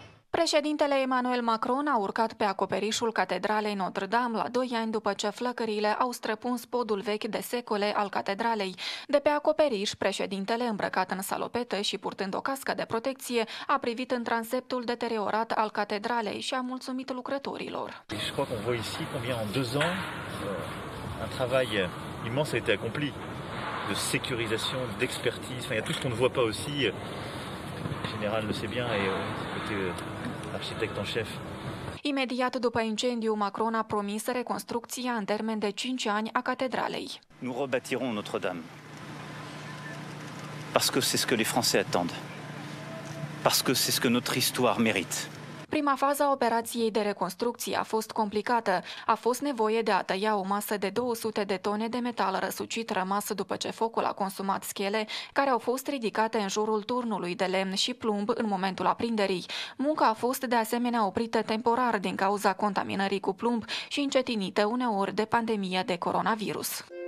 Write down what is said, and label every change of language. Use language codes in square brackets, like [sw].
[ro] Președintele Emmanuel Macron a urcat pe acoperișul Catedralei Notre-Dame la 2 ani după ce flăcările au străpuns podul vechi de secole al catedralei. De pe acoperiș, președintele, îmbrăcat în salopetă și purtând o cască de protecție, a privit în transeptul deteriorat al catedralei și a mulțumit lucrătorilor. [fr] Je crois qu'on voit ici combien en 2 ans un travail immense a été accompli de sécurisation, d'expertise, enfin il y a tout ce qu'on ne voit pas aussi. General le sait bien et côté architecte en chef. [ro] Imediat după incendiu, Macron a promis reconstrucția în termen de 5 ani a catedralei. [fr] Nous rebâtirons Notre-Dame. Parce que c'est ce que les Français attendent. Parce que c'est ce que notre histoire mérite. [ro] Prima fază a operației de reconstrucție a fost complicată. A fost nevoie de a tăia o masă de 200 de tone de metal răsucit rămas după ce focul a consumat schele, care au fost ridicate în jurul turnului de lemn și plumb în momentul aprinderii. Munca a fost de asemenea oprită temporar din cauza contaminării cu plumb și încetinită uneori de pandemia de coronavirus.